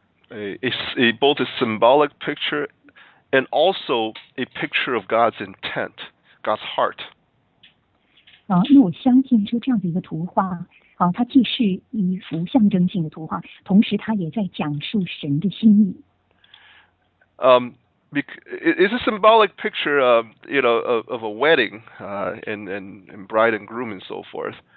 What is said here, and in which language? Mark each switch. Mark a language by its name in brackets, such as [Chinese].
[English] I think this is both a symbolic picture and also a picture of God's intent, God's heart. [Chinese] 那我相信说这样的一个图画它既是一幅象征性的图画，同时它也在讲述神的心意。 [English] It's a symbolic picture of a wedding and bride and groom and so forth.